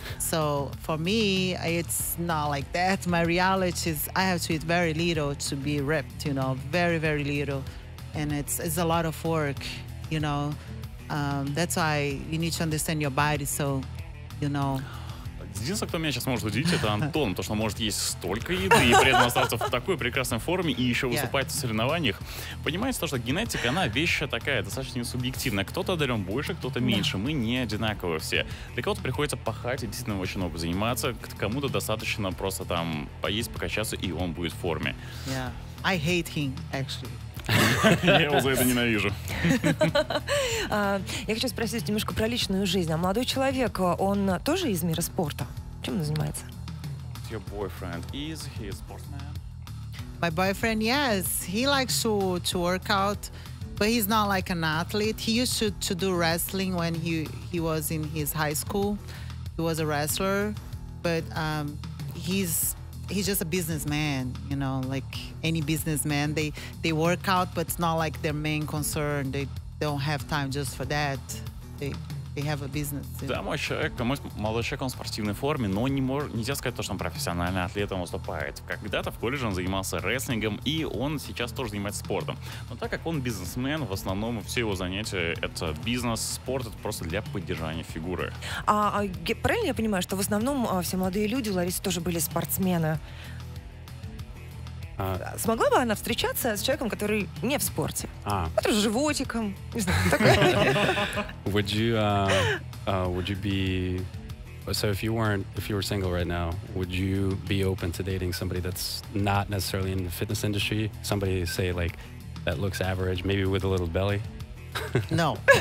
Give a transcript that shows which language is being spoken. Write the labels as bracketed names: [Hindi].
[English] So for me, it's not like that. My reality is I have to eat very little to be ripped, you know, very, very little. And it's a lot of work, you know. That's why you need to understand your body, so, you know. [Russian] Единственное, кто меня сейчас может удивить, это Антон, потому что он может есть столько еды и при этом остаться в такой прекрасной форме и еще выступать в соревнованиях. Понимаете, то, что генетика, она вещь такая, достаточно субъективная. Кто-то одарен больше, кто-то меньше. Мы не одинаковые все. Для кого-то приходится пахать и действительно очень много заниматься. Кому-то достаточно просто там поесть, покачаться, и он будет в форме. [English] Yeah. I hate him, actually. [Russian] Я его за это ненавижу. Я хочу спросить немножко про личную жизнь. А молодой человек, он тоже из мира спорта? Чем он занимается? [English] Your boyfriend, is he a sportsman? My boyfriend, yes. He likes to work out, but he's not like an athlete. He used to do wrestling when he was in his high school. He was a wrestler, but he's just a businessman, you know, like any businessman. They work out, but it's not like their main concern. They don't have time just for that. They have a business. [Russian] Да, мой молодой человек, он в спортивной форме, но нельзя сказать то, что он профессиональный атлет, он выступает. Когда-то в колледже он занимался рестлингом, и он сейчас тоже занимается спортом. Но так как он бизнесмен, в основном все его занятия — это бизнес, спорт — это просто для поддержания фигуры. Правильно я понимаю, что в основном все молодые люди у Ларисы тоже были спортсмены? Смогла бы она встречаться с человеком, который не в спорте? Вот с животиком, не знаю, такое. [English] Would you be, so if you were single right now, would you be open to dating somebody that's not necessarily in the fitness industry? Somebody, say, like, that looks average, maybe with a little belly? No.